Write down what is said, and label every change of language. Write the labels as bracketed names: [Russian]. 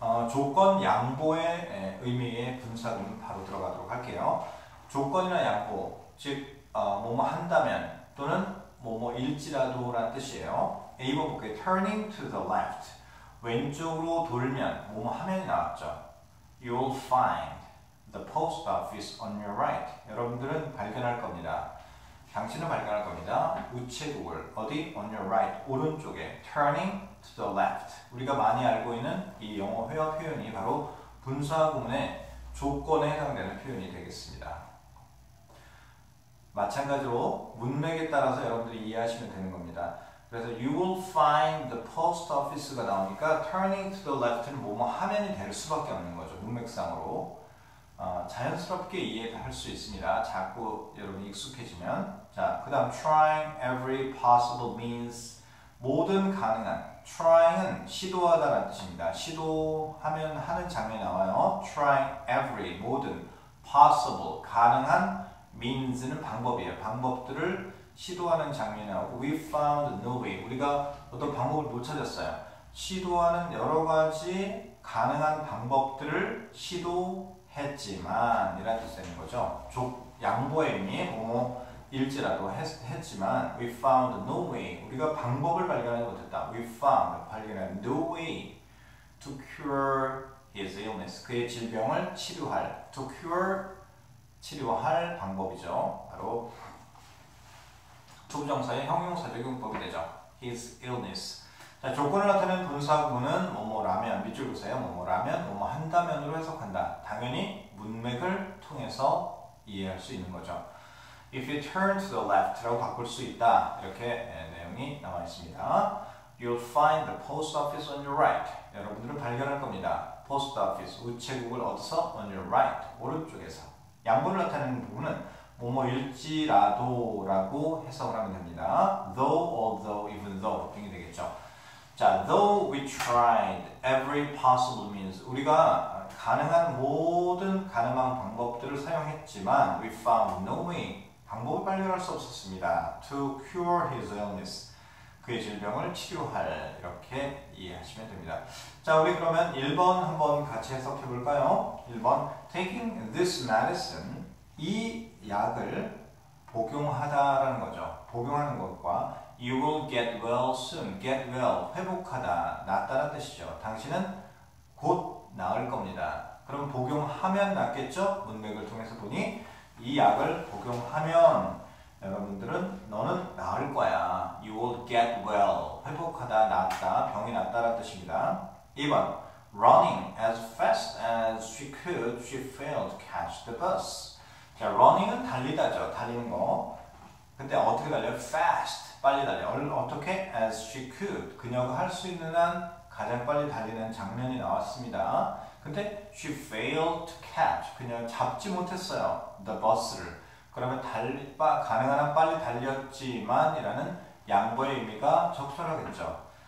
[Korean] 조건 양보의 의미의 분사구문 바로 들어가도록 할게요. 조건이나 양보, 즉 뭐뭐 한다면 또는 뭐뭐 일지라도란 뜻이에요. A번 볼게요. [English] Turning to the left. [Korean] 왼쪽으로 돌면 뭐뭐 하면이 나왔죠. [English] You'll find the post office on your right. [Korean] 여러분들은 발견할 겁니다. 당신은 발견할 겁니다. 우체국을 어디? [English] On your right. [Korean] 오른쪽에. [English] Turning to the left. [Korean] 우리가 많이 알고 있는 이 영어 회화 표현이 바로 분사구문의 조건에 해당되는 표현이 되겠습니다. 마찬가지로 문맥에 따라서 여러분들이 이해하시면 되는 겁니다. 그래서 [English] you will find the post office [Korean] 가 나오니까 [English] turning to the left [Korean] 는 뭐뭐 하면이 될 수밖에 없는 거죠. 문맥상으로. 자연스럽게 이해할 수 있습니다. 자꾸 여러분이 익숙해지면. 자, 그 다음 [English] trying every possible means. [Korean] 모든 가능한. trying은 시도하다라는 뜻입니다. 시도하면 하는 장면이 나와요. [English] trying every, [Korean] 모든 [English] possible, [Korean] 가능한 [English] means는 [Korean] 방법이에요. 방법들을 시도하는 장면이 나오고 [English] we found no way. [Korean] 우리가 어떤 방법을 못 찾았어요. 시도하는 여러 가지 가능한 방법들을 시도했지만 이라는 뜻이 되는 거죠. 양보의 의미에 뭐뭐 일지라도 했지만 [English] we found no way. [Korean] 우리가 방법을 발견하지 못했다. [English] we found, [Korean] 발견한 [English] no way to cure his illness. [Korean] 그의 질병을 치료할, to cure 치료할 방법이죠. 바로 투부정사의 형용사 적용법이 되죠. [English] His illness. [Korean] 자, 조건을 나타낸 분사구는 뭐뭐라면, 밑줄 보세요. 뭐뭐라면, 뭐뭐 한다면으로 해석한다. 당연히 문맥을 통해서 이해할 수 있는 거죠. [English] If you turn to the left라고 [Korean] 바꿀 수 있다. 이렇게 내용이 나와 있습니다. [English] You'll find the post office on your right. [Korean] 여러분들은 발견할 겁니다. Post office, 우체국을 어디서? [English] On your right, [Korean] 오른쪽에서. 양보를 나타내는 부분은 뭐뭐 일지라도라고 해석을 하면 됩니다. [English] Though, although, even though [Korean] 등이 되겠죠. 자, [English] though we tried every possible means. [Korean] 우리가 가능한 모든 가능한 방법들을 사용했지만 [English] we found no way. [Korean] 방법을 발견할 수 없었습니다. [English] To cure his illness. [Korean] 그의 질병을 치료할. 이렇게 이해하시면 됩니다. 자, 우리 그러면 1번 한번 같이 해석해 볼까요? 1번. [English] Taking this medicine, [Korean] 이 약을 복용하다라는 거죠. 복용하는 것과 [English] you will get well [Korean] soon, get well, 회복하다, 낫다라는 뜻이죠. 당신은 곧 나을 겁니다. 그럼 복용하면 낫겠죠? 문맥을 통해서 보니 이 약을 복용하면 여러분들은 너는 나을 거야. [English] You will get well. [Korean] 회복하다, 낫다, 병이 낫다라는 뜻입니다. 2번. [English] Running as fast as she could, she failed to catch the bus. [Korean] 자, running은 달리다죠. 달리는 거. 근데 어떻게 달려요? Fast. 빨리 달려요. 어떻게? [English] As she could. [Korean] 그녀가 할 수 있는 한 가장 빨리 달리는 장면이 나왔습니다. 근데 [English] she failed to catch. [Korean] 그녀는 잡지 못했어요. The bus를. 그러면 가능한 한 빨리 달렸지만 이라는 양보의 의미가 적절하겠죠.